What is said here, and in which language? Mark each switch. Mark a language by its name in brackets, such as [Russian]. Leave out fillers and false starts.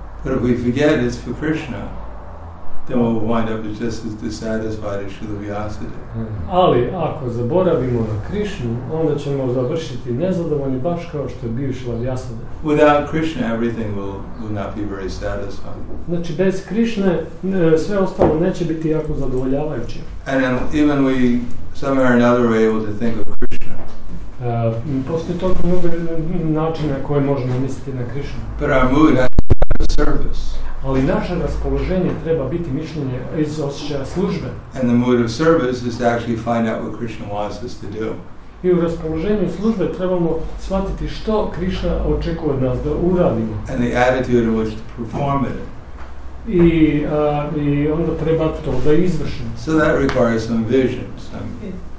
[English] But if we forget it's for Krishna, then we'll wind up as just as dissatisfied as Srila Vyasadeva. [Croatian] Ali ako zaboravimo na Krishnu, onda ćemo završiti nezadovoljni baš kao što je bio Srila Vyasadeva. [English] Without Krishna, everything will not be very satisfying. [Croatian] Znači, bez Krishne, sve ostalo neće biti jako zadovoljavajuće. [English] And then, even we, somehow or another, are able to think of Krishna. [Croatian] Postoji toliko mnogo načina koje možemo misliti na Krishnu. [English] But our mood has to be a service. [Croatian] Ali naše raspoloženje treba biti mišljenje iz osjećaja službe. [English] And the mood of service is to actually find out what Krishna wants us to do. [Croatian] I u raspoloženju službe trebamo shvatiti što Krishna očekuje od nas da uradimo. [English] And the attitude in which to perform it. [Croatian] I onda treba to da izvršimo. [English] So that requires some vision. Some...